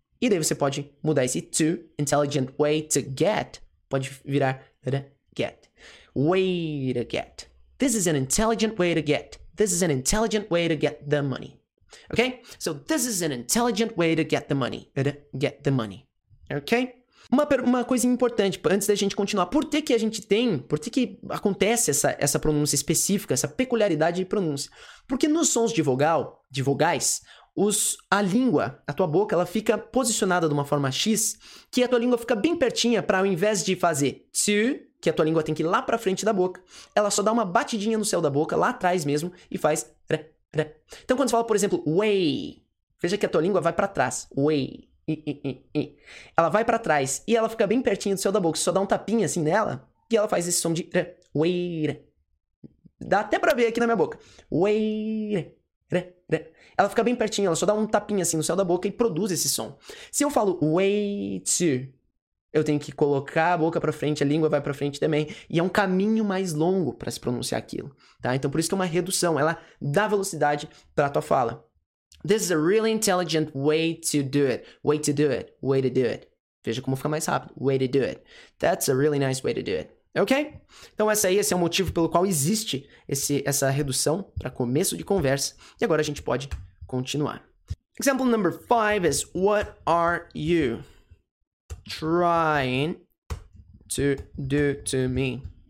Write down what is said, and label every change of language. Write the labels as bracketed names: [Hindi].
[Portuguese] E daí você pode mudar esse to, [English] intelligent way to get, [Portuguese] pode virar ra. [English] Get. Way to get. This is an intelligent way to get. This is an intelligent way to get the money. Okay? So, this is an intelligent way to get the money. Get the money. [Portuguese] Okay? Uma coisa importante, antes da gente continuar. Por que acontece essa pronúncia específica, essa peculiaridade de pronúncia? Porque nos sons de vogal, de vogais, a língua, a tua boca, ela fica posicionada de uma forma X, que a tua língua fica bem pertinha para, ao invés de fazer to, que a tua língua tem que ir lá pra frente da boca, ela só dá uma batidinha no céu da boca, lá atrás mesmo, e faz rã, rã. Então, quando você fala, por exemplo, way, veja que a tua língua vai pra trás, way, ela vai pra trás, e ela fica bem pertinho do céu da boca, só dá um tapinha assim nela, e ela faz esse som de rã, way, rã. Dá até pra ver aqui na minha boca, way, rã, rã, rã. Ela fica bem pertinho, ela só dá um tapinha assim no céu da boca e produz esse som. Se eu falo way to, eu tenho que colocar a boca pra frente, a língua vai pra frente também. E é um caminho mais longo pra se pronunciar aquilo, tá? Então, por isso que é uma redução. Ela dá velocidade pra tua fala. [English] This is a really intelligent way to do it. Way to do it. Way to do it. [Portuguese] Veja como fica mais rápido. [English] Way to do it. That's a really nice way to do it. Ok? [Portuguese] Então, esse é o motivo pelo qual existe essa redução pra começo de conversa. E agora a gente pode continuar. [English] Example number 5 is, what are you trying to do to me?